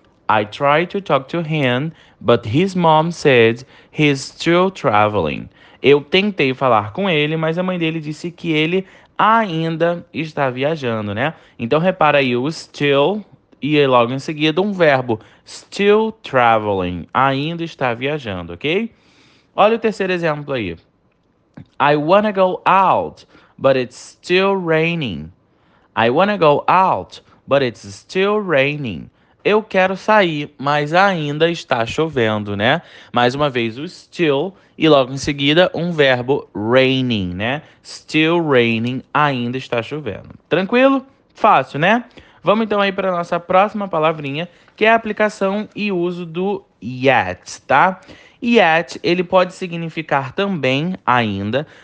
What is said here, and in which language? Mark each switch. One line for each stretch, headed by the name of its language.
English: I tried to talk to him, but his mom said he's still traveling.
Portuguese: Eu tentei falar com ele, mas a mãe dele disse que ele ainda está viajando, né? Então repara aí o still e logo em seguida um verbo,
English: still traveling,
Portuguese: ainda está viajando, ok? Olha o terceiro exemplo aí.
English: I wanna go out, but it's still raining. I wanna go out, but it's still raining.
Portuguese: Eu quero sair, mas ainda está chovendo, né? Mais uma vez o still e logo em seguida um verbo raining, né?
English: Still raining,
Portuguese: ainda está chovendo. Tranquilo? Fácil, né? Vamos então aí para nossa próxima palavrinha, que é a aplicação e uso do yet, tá? Yet, ele pode significar também ainda,